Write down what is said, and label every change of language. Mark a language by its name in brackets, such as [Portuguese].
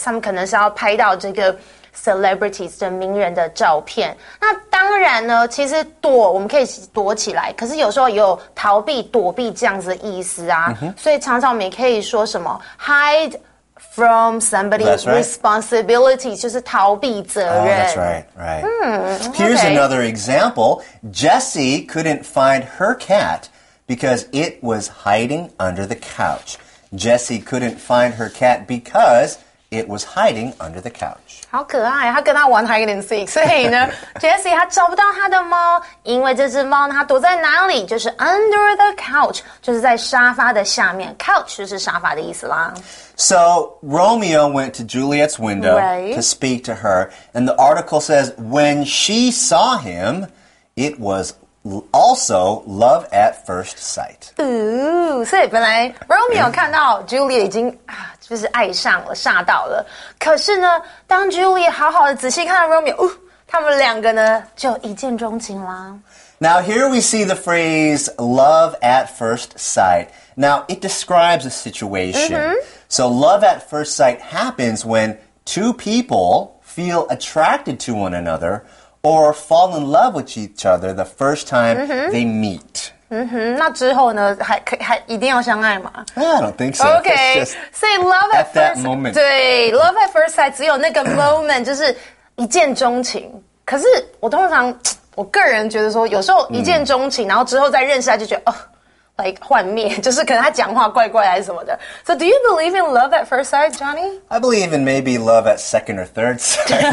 [Chinese] 他们可能是要拍到这个celebrities 的名人的照片。那当然呢，其实躲我们可以躲起来，可是有时候也有逃避躲避这样子的意思啊、 mm-hmm. 所以常常我们也可以说什么 [English] hide from somebody's responsibility、 right. [Chinese] 就是逃避责任、 [English] oh, that's right, right.、 Okay. Here's another example. Jessie couldn't find her cat because it was hiding under the couch. Jessie couldn't find her cat becauseIt was hiding under the couch. [Chinese] 好可爱，他跟他玩 [English] hide and seek. [Chinese] 所以呢 ，Jessie 他找不到他的猫，因为这只猫呢，它躲在哪里？就是 [English] under the couch， [Chinese] 就是在沙发的下面。 Couch 就是沙发的意思啦。 [English] So Romeo went to Juliet's window、 right. to speak to her, and the article says when she saw him, it was also love at first sight. [Chinese] Ooh, 所以本来 Romeo 看到 Juliet 已经啊。就是爱上了，吓到了。可是呢，当 Juliet 好好的仔细看到 Romeo， 他们两个呢就一见钟情啦。 [English] Now here we see the phrase "love at first sight." Now it describes a situation.、 Mm-hmm. So love at first sight happens when two people feel attracted to one another or fall in love with each other the first time、 mm-hmm. they meet. [Chinese] 嗯哼，那之后呢？还一定要相爱吗 [English] ？I don't think so. Okay, say love at that moment. [Chinese] 对 ， [English] love at first sight [Chinese] 只有那个 moment 就是一见钟情。可是我通常我个人觉得说，有时候一见钟情，然后之后再认识他就觉得like 幻灭，就是可能他讲话怪怪还是什么的。 [English] So do you believe in love at first sight, Johnny? I believe in maybe love at second or third sight.